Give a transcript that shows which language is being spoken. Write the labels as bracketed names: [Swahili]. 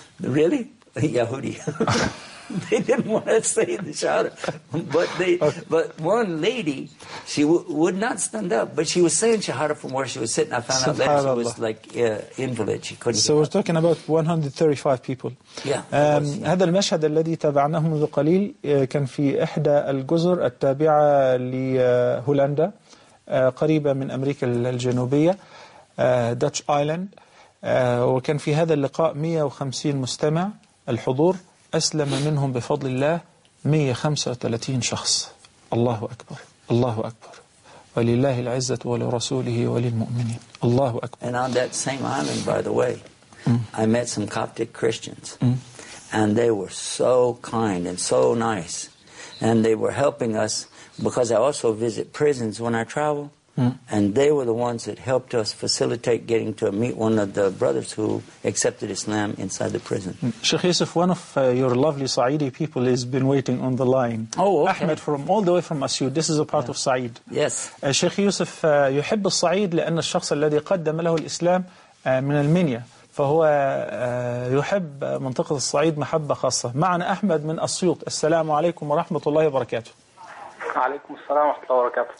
[English] Really? Yahudi. They didn't want to say the shahada. But one lady, she would not stand up, but she was saying shahada from where she was sitting. I found out that she was like invalid. She couldn't. So we're talking about 135 people. Yeah. [Arabic] هذا المشهد الذي تابعناه منذ قليل كان في إحدى الجزر التابعة لهولندا قريبة من أمريكا الجنوبية [English] Dutch Island [Arabic] وكان في هذا اللقاء 150 مستمع الحضور أسلم منهم بفضل الله 135 شخص الله أكبر الله أكبر ولله العزة ولرسوله وللمؤمنين الله أكبر. [English] And on that same island, by the way, I met some Coptic Christians, and they were so kind and so nice, and they were helping us because I also visit prisons when I travel, and they were the ones that helped us facilitate getting to meet one of the brothers who accepted Islam inside the prison. Sheikh Yusuf, one of your lovely Saidi people has been waiting on the line. Oh, okay. Ahmed from all the way from Masyud. This is a part of Said. Yes. [Arabic] Sheikh Yusuf يحب الصعيد لأن الشخص الذي قدم له الإسلام من المنيا فهو يحب منطقة الصعيد محبة خاصة. معنا أحمد من أسيوط. السلام عليكم ورحمة الله وبركاته. عليكم السلام ورحمة الله وبركاته.